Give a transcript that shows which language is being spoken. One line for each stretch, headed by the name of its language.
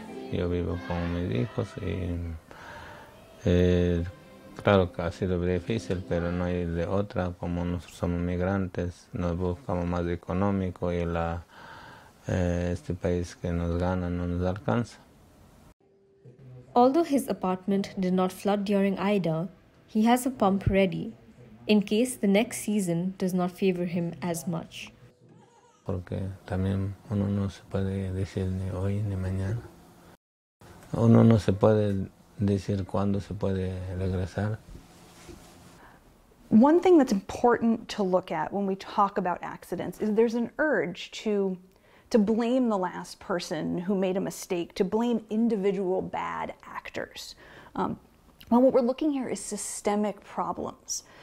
Spanish: Yo vivo con mis hijos y claro que ha sido difícil, pero no hay de otra. Como nosotros somos migrantes, nos buscamos más económico y la este país que nos gana no nos alcanza.
English: Although his apartment did not flood during Ida, he has a pump ready, in case the next season does not favor him as much.
Spanish: Porque también uno no se puede decir ni hoy ni mañana. Uno no se puede decir cuándo se puede regresar.
English: One thing that's important to look at when we talk about accidents is there's an urge to blame the last person who made a mistake, to blame individual bad actors. Well, what we're looking here is systemic problems.